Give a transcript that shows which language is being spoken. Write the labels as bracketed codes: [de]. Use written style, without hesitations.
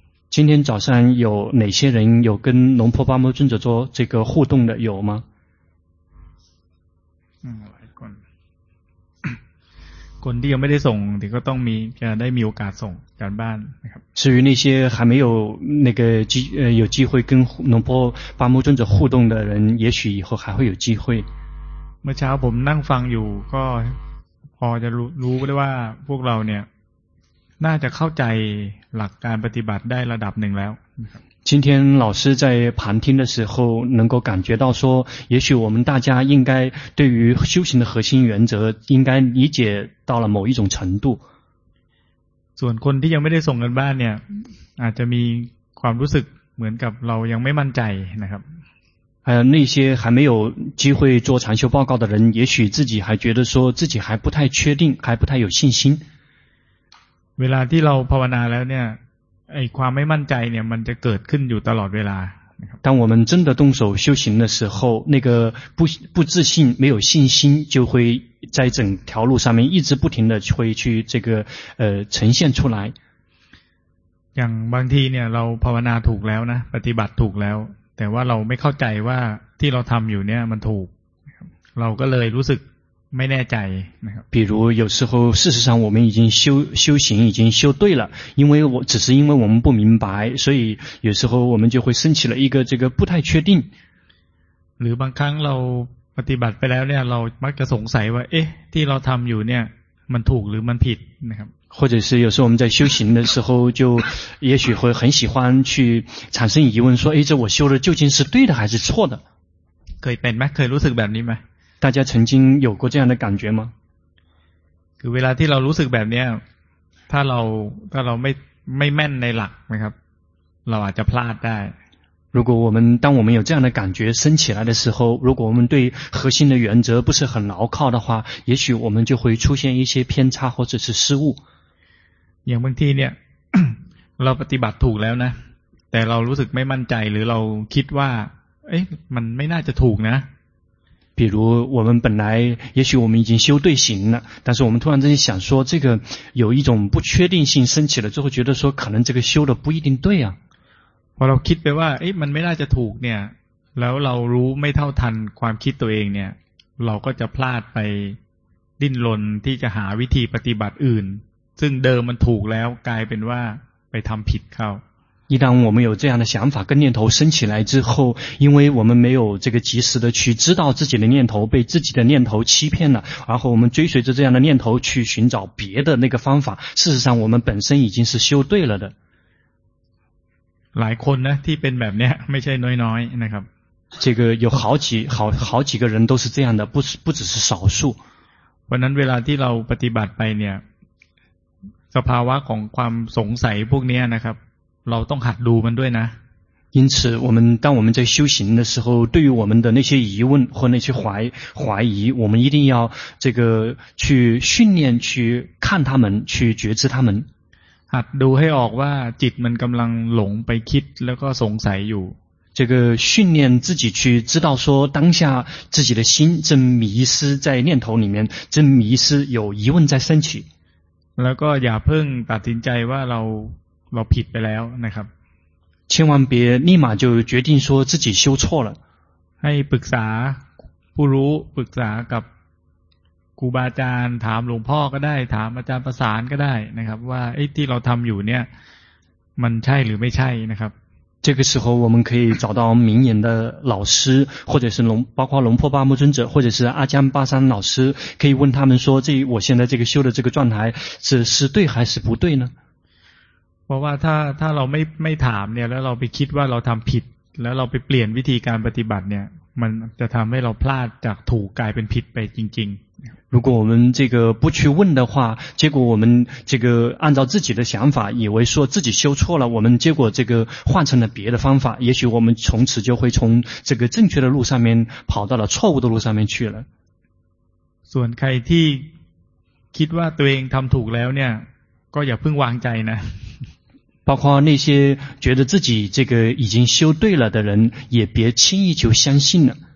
[zh] 今天早上有哪些人有跟龙婆巴木尊者做这个互动的有吗？ [th] คนที่ยังไม่ได้ส่งเดี๋ยวก็ต้องมีจะได้มีโอกาสส่งการบ้านนะครับ [zh] 至于那些还没有那个有机会跟龙波巴木尊者互动的人也许以后还会有机会 [th] เมื่อเช้าผมนั่งฟังอยู่ก็พอจะรู้ได้ว่าพวกเราเนี่ยน่าจะเข้าใจหลักการปฏิบัติได้ระดับหนึ่งแล้วนะครับ [zh] 今天老师在旁听的时候能够感觉到说也许我们大家应该对于修行的核心原则应该理解到了某一种程度 [th] ส่วนคนที่ยังไม่ได้ส่งกันบ้านเนี่ยอาจจะมีความรู้สึกเหมือนกับเรายังไม่มั่นใจนะครับ [zh] 那些还没有机会做禅修报告的人也许自己还觉得说自己还不太确定还不太有信心 [th] เวลาที่เราภาวนาแล้วเนี่ยไอ้ความไม่มั่นใจเนี่ยมันจะเกิดขึ้นอยู่ตลอดเวลา [zh] 当我们真的动手修行的时候那个 不自信没有信心就会在整条路上面一直不停的会去这个呈现出来 [th] อย่างบางทีเนี่ยเราภาวนาถูกแล้วนะปฏิบัติถูกแล้วแต่ว่าเราไม่เข้าใจว่าที่เราทำอยู่เนี่ยมันถูกเราก็เลยรู้สึกไม่แน่ใจนะครับ [zh] 比如有时候事实上我们已经修行已经修对了因为我只是因为我们不明白所以有时候我们就会升起了一个这个不太确定 [th] หรือบางครั้งเราปฏิบัติไปแล้วเนี่ยเรามักจะสงสัยว่าเอ๊ะที่เราทำอยู่เนี่ยมันถูกหรือมันผิดนะครับ [zh] 或者是有时候我们在修行的时候就也许会很喜欢去产生疑问说哎这我修的究竟是对的还是错的 [th] เคยเป็นไหมเคยรู้สึกแบบนี้ไหม [zh] 大家曾经有过这样的感觉吗？ [th] คือเวลาที่เรารู้สึกแบบนี้ถ้าเราไม่แม่นในหลักนะครับเราอาจจะพลาดได้ [zh] 如果我们当我们有这样的感觉升起来的时候如果我们对核心的原则不是很牢靠的话也许我们就会出现一些偏差或者是失误 [th] อย่างบางทีเนี่ยเราปฏิบัติถูกแล้วนะแต่เรารู้สึกไม่มั่นใจหรือเราคิดว่าเอ๊ะมันไม่น่าจะถูกนะ [zh] 比如我们本来也许我们已经修对行了但是我们突然之间想说这个有一种不确定性升起了之后觉得说可能这个修的不一定对啊 [th] พอเราคิดไปว่าเอ๊ะมันไม่น่าจะถูกเนี่ยแล้วเรารู้ไม่เท่าทันความคิดตัวเองเนี่ยเราก็จะพลาดไปดิ้นรนที่จะหาวิธีปฏิบัติอื่นซึ่งเดิมมันถูกแล้วกลายเป็นว่าไปทำผิดเข้า [zh] 一旦我们有这样的想法跟念头升起来之后因为我们没有这个及时的去知道自己的念头被自己的念头欺骗了然后我们追随着这样的念头去寻找别的那个方法事实上我们本身已经是修对了的 [th] หลายคนนะที่เป็นแบบเนี้ยไม่ใช่น้อยๆ นะครับ [zh] 这个有好几好好几个人都是这样的不只是少数 [th] วันนั้นเวลาที่เราปฏิบัติไปเนี่ยสภาวะของความสงสัยพวกเนี้ยนะครับเราต้องหัดดูมันด้วยนะ [zh] 因此我们当我们在修行的时候对于我们的那些疑问和那些怀疑我们一定要这个去训练去看他们去觉知他们 [th] หัดดูให้ออกว่าจิตมันกำลังหลงไปคิดแล้วก็สงสัยอยู่ [zh] 这个训练自己去知道说当下自己的心正迷失在念头里面正迷失有疑问在升起 [th] แล้วก็อย่าเพิ่งตัดสินใจว่าเราผิดไปแล้วนะครับ [zh] 千万别立马就决定说自己修错了 [th] ให้ปรึกษาผู้รู้ปรึกษากับครูบาอาจารย์ถามหลวงพ่อก็ได้ถามอาจารย์ประสานก็ได้นะครับว่าไอ้ที่เราทำอยู่เนี่ยมันใช่หรือไม่ใช่นะครับ [zh] 这个时候我们可以找到明眼的老师或者是包括龙破巴木尊者或者是阿江巴山老师可以问他们说这我现在这个修的这个状态是对还是不对呢 [th] เพราะว่าถ้าเราไม่ถามเนี่ยแล้วเราไปคิดว่าเราทำผิดแล้วเราไปเปลี่ยนวิธีการปฏิบัติเนี่ยมันจะทำให้เราพลาดจากถูกกลายเป็นผิดไปจริง [zh] ๆ如果我们这个不去问的话结果我们这个按照自己的想法以为说自己修错了我们结果这个换成了别的方法也许我们从此就会从这个正确的路上面跑到了错误的路上面去了 [th] ส่วนใครที่คิดว่าตัวเองทำถูกแล้วเนี่ยก็อย่าเพิ่งวางใจนะ [zh] 包括那些觉得自己这个已经修对了的人也别轻易就相信